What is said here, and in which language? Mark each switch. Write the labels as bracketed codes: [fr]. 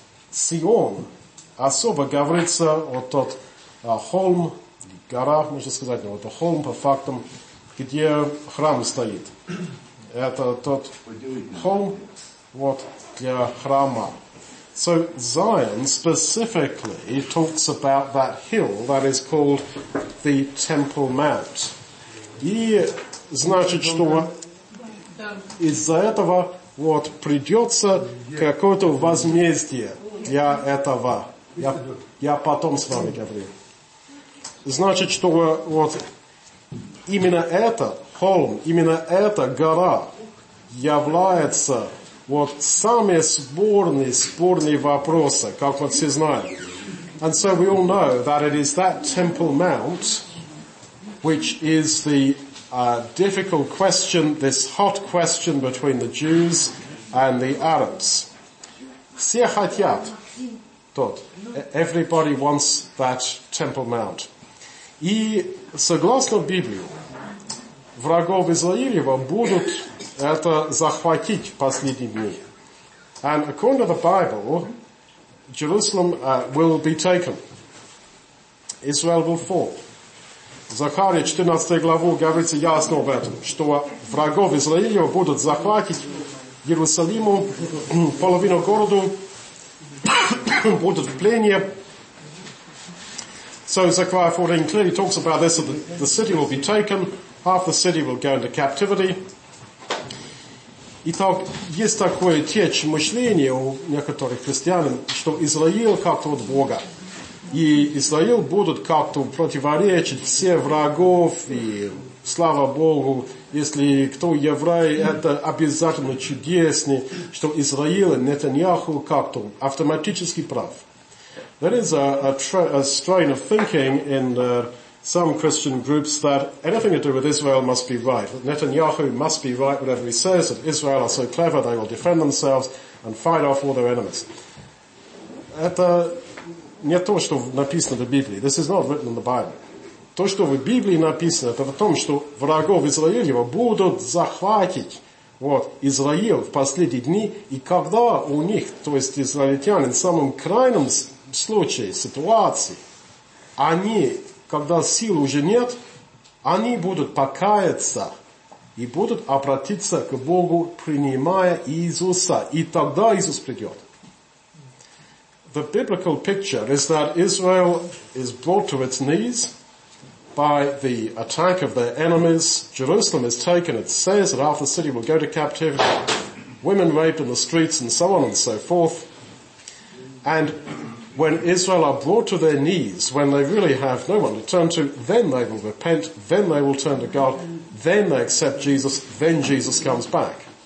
[ru] Сион особо говорится о тот холм, гора, можно сказать, но это холм, по фактам, где храм стоит. Это тот холм, вот, для храма. [en] So, Zion specifically talks about that hill that is called the Temple Mount. [ru] И значит, что из-за этого вот придется какое-то возмездие для этого. Я потом с вами говорю. Значит, что вот именно это холм, именно эта гора является вот самые спорные вопросы, как вот все знают. [en] And so we all know that it is that Temple Mount which is the difficult question, this hot question between the Jews and the Arabs. [ru] Все хотят тот. [en] Everybody wants that Temple Mount. [ru] И согласно Библии, врагов Израилева будут это захватить в последние дни. [en] And according to the Bible, Jerusalem will be taken. Israel will fall. [ru] Захария 14 главу говорится ясно об этом, что врагов Израилева будут захватить Иерусалиму, половину города, будут в плене. [en] So Zechariah 14 clearly talks about this, that the city will be taken, half the city will go into captivity. [ru] Итак, есть такое течь мышления у некоторых христиан, что Израил как-то от Бога. И Израил будет как-то противоречить все врагов, и слава Богу, если кто еврей, это обязательно чудесно, что Израил и Нетаньяху как-то автоматически прав. [en] There is a strain of thinking in some Christian groups that anything to do with Israel must be right. Netanyahu must be right, whatever he says, that Israel are so clever they will defend themselves and fight off all their enemies. [ru] Это не то, что написано в Библии. [en] This is not written in the Bible. [ru] То, что в Библии написано, это в том, что врагов Израилева будут захватить вот Израиль в последние дни, и когда у них, то есть израильтяне, в самом крайнем случае, ситуации, они, когда сил уже нет, они будут покаяться и будут обратиться к Богу, принимая Иисуса. И тогда Иисус придет. [en] The biblical picture is that Israel is brought to its knees by the attack of their enemies. Jerusalem is taken. It says that half the city will go to captivity. Women raped in the streets and so on and so forth. And when Israel are brought to their knees, when they really have no one to turn to, then they will repent, then they will turn to God, then they accept Jesus, then Jesus comes back.